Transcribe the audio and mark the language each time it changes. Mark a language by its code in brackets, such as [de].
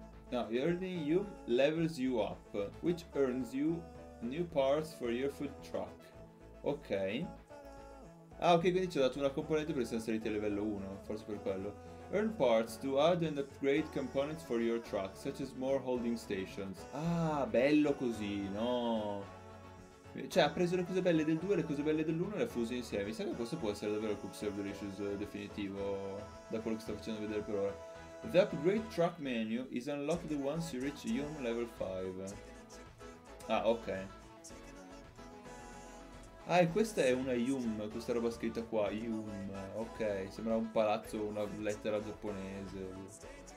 [en] No, earning Yum levels you up, which earns you new parts for your food truck. Ok. [it] Ah, ok, quindi ci ha dato una componente per essere saliti a livello 1, forse per quello. [en] Earn parts to add and upgrade components for your truck, such as more holding stations. [it] Ah, bello così, no? Cioè, ha preso le cose belle del 2 e le cose belle dell'1 e le ha fuse insieme. Mi sa che questo può essere davvero il Cook Serve Delicious definitivo, da quello che sto facendo vedere per ora. [en] The upgrade truck menu is unlocked once you reach Yum level 5. Ah, ok. [it] Ah, e questa è una Yum, questa roba scritta qua, Yum, ok, sembra un palazzo, una lettera giapponese.